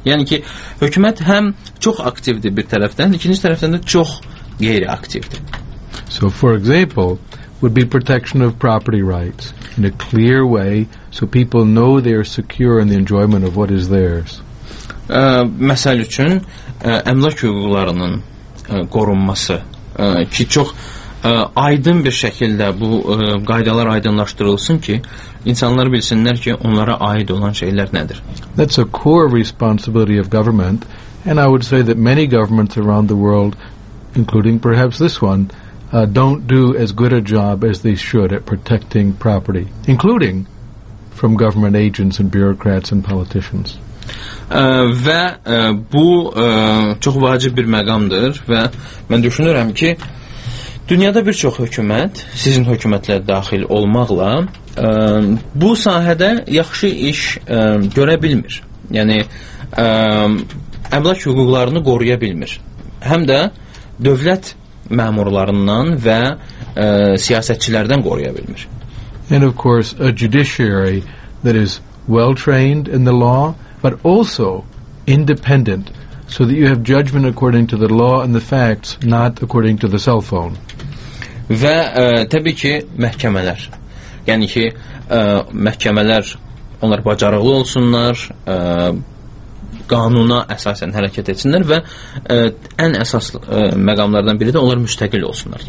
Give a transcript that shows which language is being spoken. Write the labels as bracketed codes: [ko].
[az] Yəni ki, hökumət həm çox aktivdir bir tərəfdən, ikinci tərəfdən də çox qeyri-aktivdir. [en] So, for example, would be protection of property rights in a clear way so people know they are secure in the enjoyment of what is theirs. [az] Məsəl üçün, əmlak hüquqlarının qorunması ki, çox aydın bir şəkildə bu qaydalar aydınlaşdırılsın ki, insanlar bilsinlər ki, onlara aid olan şeylər nədir. [en] That's a core responsibility of government, and I would say that many governments around the world, including perhaps this one, don't do as good a job as they should at protecting property, including from government agents and bureaucrats and politicians. [az] Və bu çox vacib bir məqamdır və mən düşünürəm ki, dünyada bir çox hökumət, sizin hökumətlər daxil olmaqla, bu sahədə yaxşı iş görə bilmir. Yəni, əmlak hüquqlarını qoruya bilmir. Həm də dövlət məmurlarından və siyasətçilərdən qoruya bilmir. [en] And of course, a judiciary that is well-trained in the law, but also independent, so that you have judgment according to the law and the facts, not according to the cell phone. [az] Və təbii ki, məhkəmələr. Yəni ki, məhkəmələr, onlar bacarıqlı olsunlar, qanuna əsasən hərəkət etsinlər və ən əsas məqamlardan biri də onlar müstəqil olsunlar.